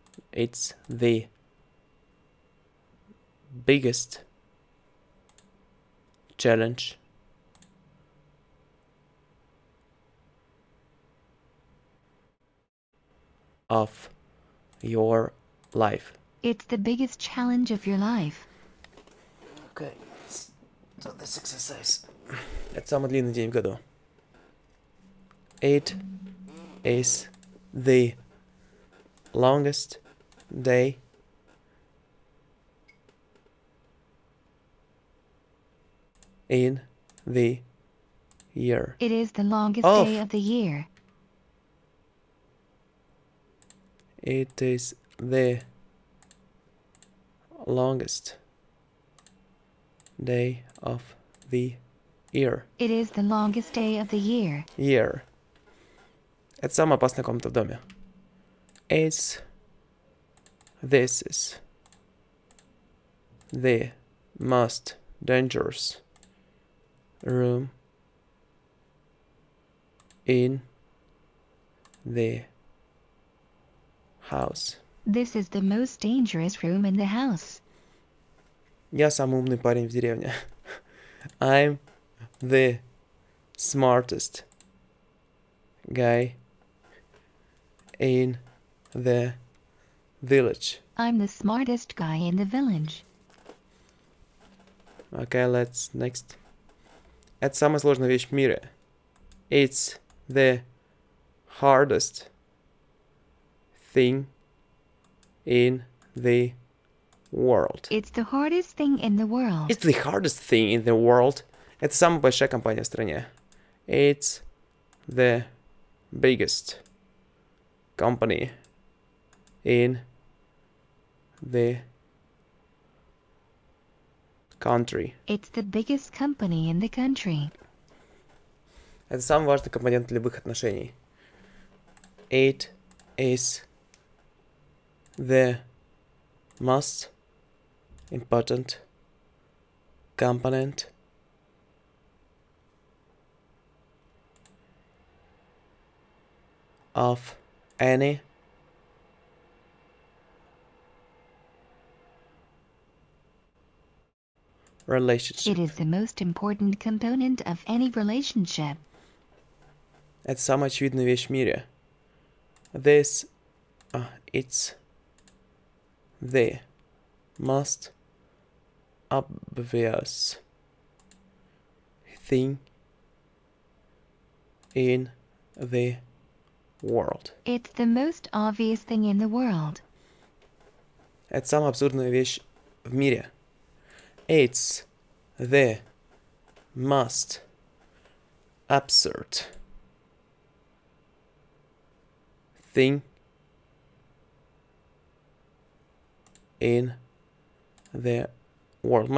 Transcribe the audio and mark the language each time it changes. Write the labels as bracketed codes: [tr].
[en] It's the biggest challenge of your life. It's the biggest challenge of your life. Okay, so this exercise. [ru] Это самый длинный день в году. [en] It is the longest day in the year. It is the longest day of the year. It is the longest day of the year. It is the longest day of the year. Year. [ru] Это самая опасная комната в доме. [en] This is the most dangerous room in the house. This is the most dangerous room in the house. [ru] Я самый умный парень в деревне. [en] I'm the smartest guy in the village. I'm the smartest guy in the village. Okay, let's next. [ru] Это самая сложная вещь в мире. [en] It's the hardest thing in the world. It's the hardest thing in the world. It's the hardest thing in the world. [ru] Это самая большая компания в стране. [en] It's the biggest company in the country. It's the biggest company in the country. [ru] Это самый важный компонент любых отношений. [en] It is the most important component of any relationship. It is the most important component of any relationship. [ru] Это самая очевидная вещь в мире. [en] This, it's the most obvious thing in the world. It's the most obvious thing in the world. [ru] Это самая абсурдная вещь в мире. [en] It's the most absurd thing in the world.